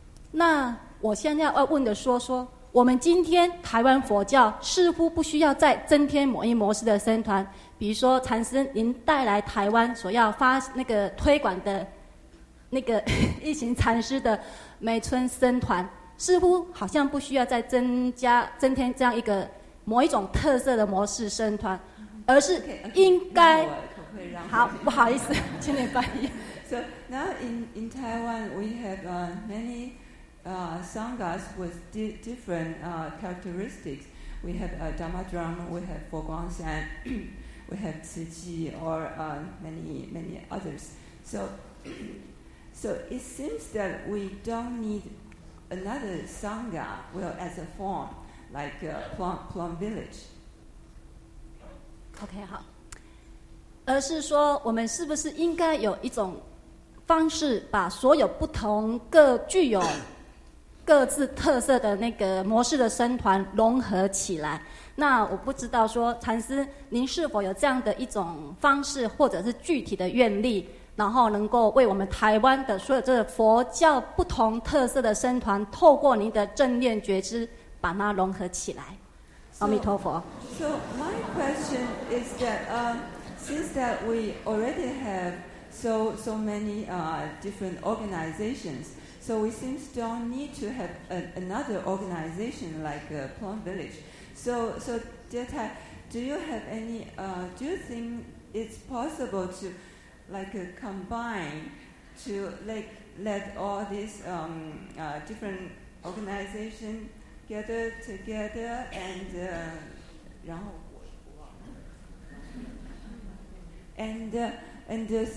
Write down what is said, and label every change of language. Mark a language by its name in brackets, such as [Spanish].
[Chinese] 那我现在要问的说我们今天台湾佛教似乎不需要再增添某一模式的僧团，比如说禅师您带来台湾所要发那个推广的那个一行禅师的梅村僧团，似乎好像不需要再增添这样一个某一种特色的模式僧团，而是应该 okay, 好，不好意思，请你翻译。 [English] So now in Taiwan we have manysanghas with different characteristics. We have Dharma Drum, we have Fo Guang San, we have Ci Ji, or many, many others. So it seems that we don't need another Sangha, well, as a form, like Plum Village. Okay, 好。 [Chinese] 而是说我们是不是应该有一种方式把所有不同各具有各自特色的那个模式的僧团融合起来，那我不知道说禅师您是否有这样的一种方式或者是具体的愿力，然后能够为我们台湾的所有这个佛教不同特色的僧团透过您的正念觉知把它融合起来。阿弥陀佛。 [English] So my question is that since that we already have so many different organizationsSo we seem to don't need to have another organization like Plum Village. So Jetai, do you have any, do you think it's possible to like combine to like let all these different organizations gather together and, [Chinese] 然后我忘了 [English] and